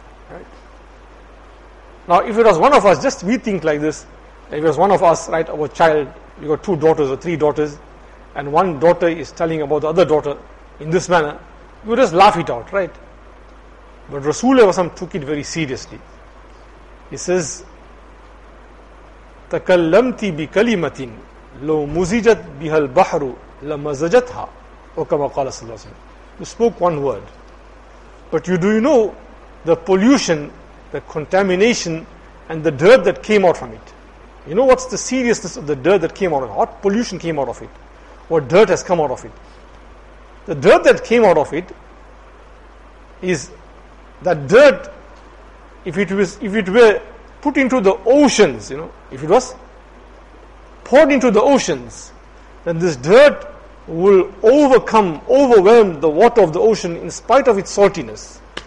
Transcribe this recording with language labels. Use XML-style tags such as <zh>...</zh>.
<en>Right. Now, if it was one of us, just we think like this. If it was one of us, right, our child. We got two daughters or three daughters. And one daughter is telling about the other daughter in this manner. You just laugh it out, right? But Rasulullah took it very seriously.</en> <ar>He says, تَكَلَّمْتِ بِكَلِمَةٍ لَوْ مُزِجَتْ بِهَا الْبَحْرُ لَمَزَجَتْهَا وَكَمَا قَالَ صَلَّى اللَّهُ عَلَيْهِ وَسَلَّمُ.</ar> <en>You spoke one word. But you do you know the pollution, the contamination, and the dirt that came out from it? You know what's the seriousness of the dirt that came out of it? What pollution came out of it? What dirt has come out of it? The dirt that came out of it is that dirt, if it were put into the oceans, you know, if it was poured into the oceans, then this dirt will overwhelm the water of the ocean in spite of its saltiness.</en>